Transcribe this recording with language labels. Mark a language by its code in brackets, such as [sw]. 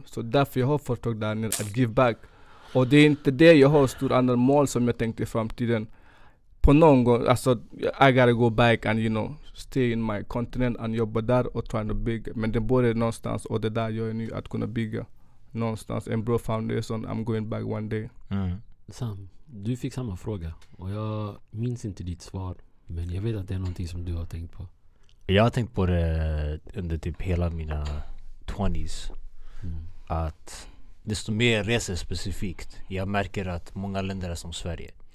[sv] Så därför jag har företag där nere att [en] give back. [sv] Och det är inte det jag har stora andra mål som jag tänkte i framtiden. På på någon gång, alltså [en] I gotta go back and you know stay in my continent and [sv] jobba där och [en] trying to [sv] bygga. Men det borde någonstans och det där gör jag nu att kunna bygga någonstans. En bra [en] foundation, I'm going back one day. Mm. [sv] Sam, du fick samma fråga och jag minns inte ditt svar, men jag vet att det är någonting som du har tänkt på. Jag har tänkt på det under typ hela mina 20s. Mm. Att desto mer jag reser specifikt, jag märker att många länder är som Sverige.